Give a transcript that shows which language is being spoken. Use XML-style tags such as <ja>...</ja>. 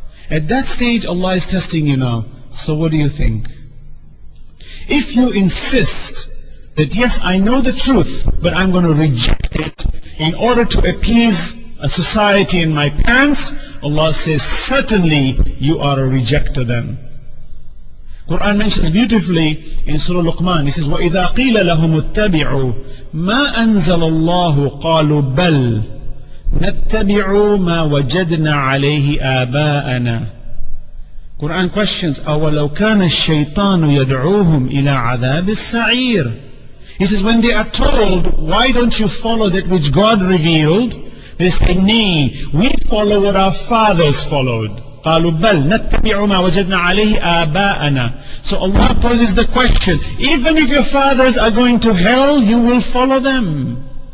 <en>At that stage, Allah is testing you now. So what do you think? If you insist that yes, I know the truth, but I'm going to reject it in order to appease a society in my parents, Allah says, certainly you are a rejecter then. Quran mentions beautifully in Surah Luqman, he says,</en> <ar>وَإِذَا قِيلَ لَهُمُ اتَّبِعُوا مَا أَنزَلَ اللَّهُ قَالُوا بَلْ نَتَّبِعُوا مَا وَجَدْنَا عَلَيْهِ آبَاءَنَا.</ar> <en>Quran questions,</en> <ar>أَوَلَوْ كَانَ الشَّيْطَانُ يَدْعُوهُمْ إِلَىٰ عَذَابِ السَّعِيرِ.</ar> <en>He says, when they are told, why don't you follow that which God revealed? They say, nay, we follow what our fathers followed.</en> <ar>قَالُوا بَلْ نَتَّبِعُ مَا وَجَدْنَا عَلَيْهِ آبَاءَنَا.</ar> <en>So Allah poses the question, even if your fathers are going to hell, you will follow them.</en>